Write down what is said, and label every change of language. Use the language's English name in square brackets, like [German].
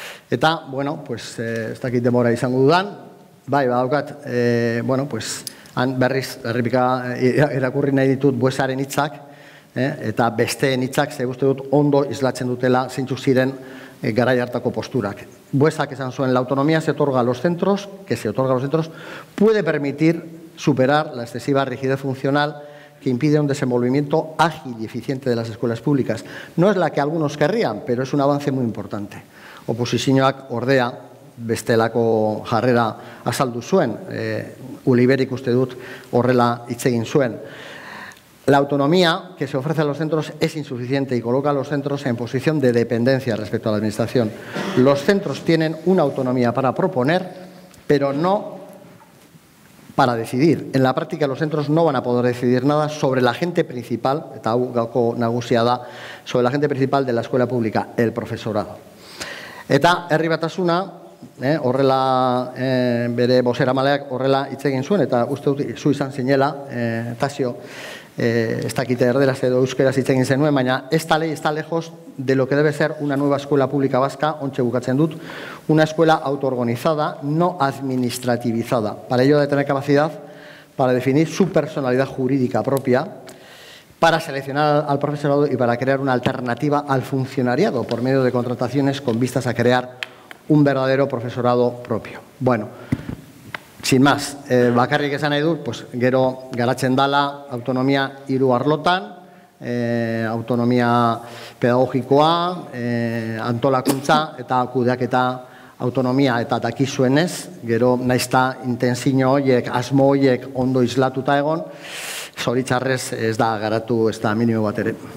[Basque] Eta, bueno, pues, ez dakit demora izango dudan, bai, badaukat, bueno, pues, han berriz, herripika irakurri nahi ditut Buesaren hitzak, eta besteen hitzak ze uste dut ondo islatzen dutela zeintzuk ziren garai hartako posturak. Buesak esan zuen, [Spanish] la autonomía se otorga a los centros, que se otorga a los centros, puede permitir superar la excesiva rigidez funcional que impide un desenvolvimiento ágil y eficiente de las escuelas públicas. No es la que algunos querrían, pero es un avance muy importante. [Basque] Oposizioak ordea bestelako jarrera azaldu zuen, Uliberik uste dut horrela hitz egin zuen. [Spanish] La autonomía que se ofrece a los centros es insuficiente y coloca a los centros en posición de dependencia respecto a la administración. Los centros tienen una autonomía para proponer, pero no para decidir. En la práctica, los centros no van a poder decidir nada sobre la agente principal, [Basque] eta hau gauko nagusia da, [Spanish] sobre la agente principal de la escuela pública, el profesorado. [Basque] Eta herri batasuna, horrela bere bozeramaleak horrela hitz egin zuen, eta uste dut zu izan zinela, Tasio, ez dakite erderaz edo euskeraz hitz egin zenuen, baina [Spanish] esta ley está lejos de lo que debe ser una nueva escuela pública vasca, [Basque] ontxe bukatzen dut, [Spanish] una escuela autoorganizada, no administrativizada. Para ello, de tener capacidad para definir su personalidad jurídica propia, para seleccionar al profesorado y para crear una alternativa al funcionariado por medio de contrataciones con vistas a crear un verdadero profesorado propio. Bueno, sin más, [Basque] bakarrik esan nahi dut, pues gero garatzen dala autonomia hiru arlotan, autonomia pedagogikoa, antolakuntza eta kudeaketa autonomia eta dakizuenez, gero nahiz eta intentzio horiek, asmo horiek ondo islatuta egon, zoritxarrez ez da garatu, ez da minimo bat ere.